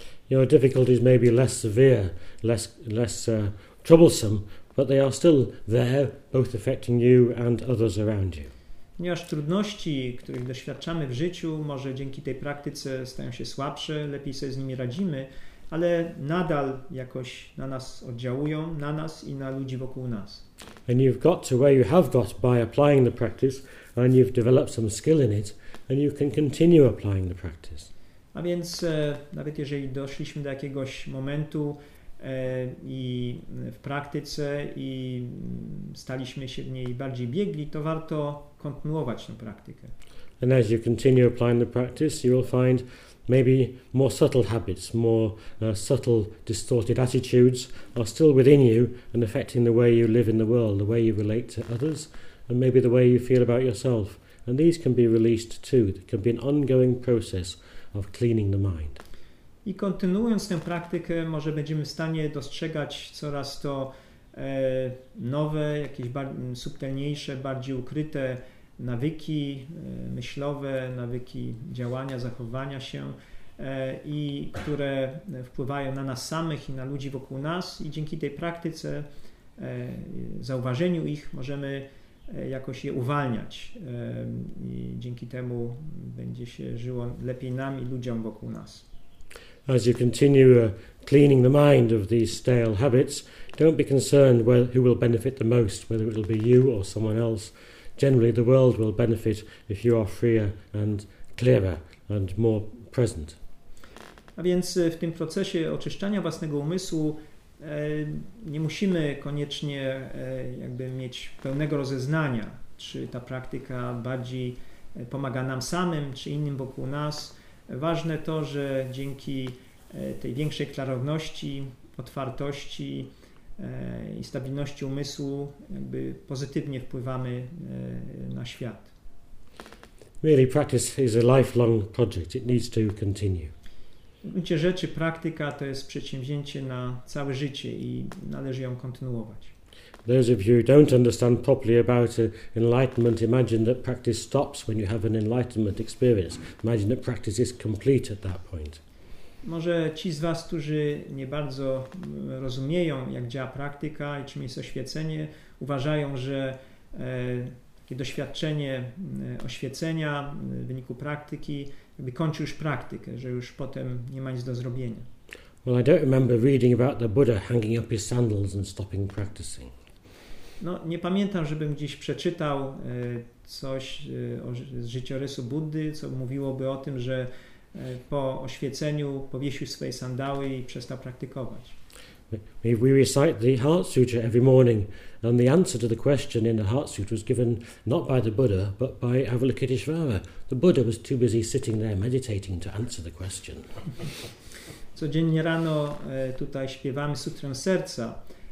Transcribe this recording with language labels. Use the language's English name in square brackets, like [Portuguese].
[English] Your difficulties may be less severe, less troublesome, but they are still there, both affecting you and others around you. [Polish] Ponieważ trudności, których doświadczamy w życiu, może dzięki tej praktyce stają się słabsze, lepiej sobie z nimi radzimy, ale nadal jakoś na nas oddziałują, na nas i na ludzi wokół nas. [English] And you've got to where you have got by applying the practice, and you've developed some skill in it, and you can continue applying the practice. [Polish] A więc nawet jeżeli doszliśmy do jakiegoś momentu i w praktyce i staliśmy się w niej bardziej biegli, to warto kontynuować tę praktykę. [English] And as you continue applying the practice, you will find maybe more subtle habits, more subtle distorted attitudes are still within you and affecting the way you live in the world, the way you relate to others, and maybe the way you feel about yourself. And these can be released too. It can be an ongoing process of cleaning the mind. [Polish] I kontynuując tę praktykę, może będziemy w stanie dostrzegać coraz to nowe, jakieś subtelniejsze, bardziej ukryte nawyki myślowe, nawyki działania, zachowania się, i które wpływają na nas samych i na ludzi wokół nas, i dzięki tej praktyce, zauważeniu ich, możemy jakoś je uwalniać i dzięki temu będzie się żyło lepiej nam i ludziom wokół nas. [English] As you continue cleaning the mind of these stale habits, don't be concerned who will benefit the most, whether it will be you or someone else. Generally, the world will benefit if you are freer and clearer and more present. [Polish] A więc w tym procesie oczyszczania własnego umysłu nie musimy koniecznie jakby mieć pełnego rozeznania, czy ta praktyka bardziej pomaga nam samym, czy innym wokół nas. Ważne to, że dzięki tej większej klarowności, otwartości i stabilności umysłu jakby pozytywnie wpływamy na świat. [English] Really, practice is a lifelong project. It needs to continue. [Polish] W gruncie rzeczy praktyka to jest przedsięwzięcie na całe życie i należy ją kontynuować. [English] Those of you who don't understand properly about enlightenment, imagine that practice stops when you have an enlightenment experience. Imagine that practice is complete at that point. [Polish] Może ci z was, którzy nie bardzo rozumieją, jak działa praktyka i czym jest oświecenie, uważają, że takie doświadczenie oświecenia w wyniku praktyki jakby kończy już praktykę, że już potem nie ma nic do zrobienia. [English] Well, I don't remember reading about the Buddha hanging up his sandals and stopping practicing. [Polish] No, nie pamiętam, żebym gdzieś przeczytał coś z życiorysu Buddy, co mówiłoby o tym, że po oświeceniu powiesił swoje sandały i przestał praktykować. [English] We recite the Heart Sutra every morning, and the answer to the question in the Heart Sutra was given not by the Buddha, but by Avalokiteshvara. The Buddha was too busy sitting there meditating to answer the question. [Polish] Codziennie rano tutaj śpiewamy Sutrę Serca.